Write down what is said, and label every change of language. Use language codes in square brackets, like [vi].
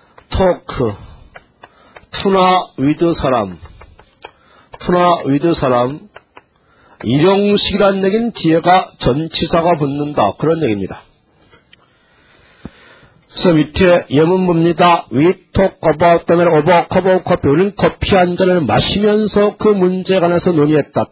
[ko] talk. to나 with 사람. to나 with 사람. 일형식이라는 얘기는 뒤에가 전치사가 붙는다. 그런 얘기입니다. 그래서 밑에 예문 봅니다. [en] We talk about the matter of a cup of coffee. [ko] 우리는 커피 한 잔을 마시면서 그 문제에 관해서 논의했다.